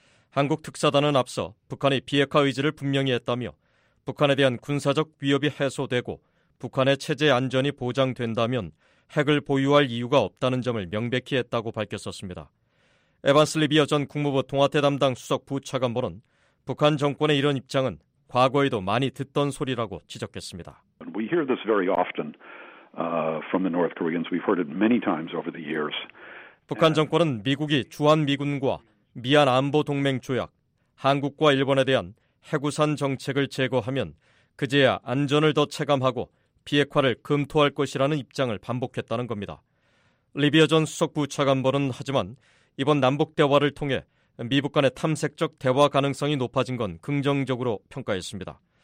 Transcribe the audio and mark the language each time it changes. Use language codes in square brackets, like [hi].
[ko] 한국 특사단은 앞서 북한이 비핵화 의지를 분명히 했다며 북한에 대한 군사적 위협이 해소되고 북한의 체제 안전이 보장된다면 핵을 보유할 이유가 없다는 점을 명백히 했다고 밝혔었습니다. 에반스 리비어 전 국무부 통화태 담당 수석 부차관보는 북한 정권의 이런 입장은 과거에도 많이 듣던 소리라고 지적했습니다. [en] We hear this very often from the North Koreans. We've heard it many times over the years. [ko] 북한 정권은 미국이 주한미군과 미안 안보 동맹 조약, 한국과 일본에 대한 핵우산 정책을 제거하면 그제야 안전을 더 체감하고 비핵화를 검토할 것이라는 입장을 반복했다는 겁니다. 리비어 전 수석부 차관보는 하지만 이번 남북 대화를 통해 미북 간의 탐색적 대화 가능성이 높아진 건 긍정적으로 평가했습니다.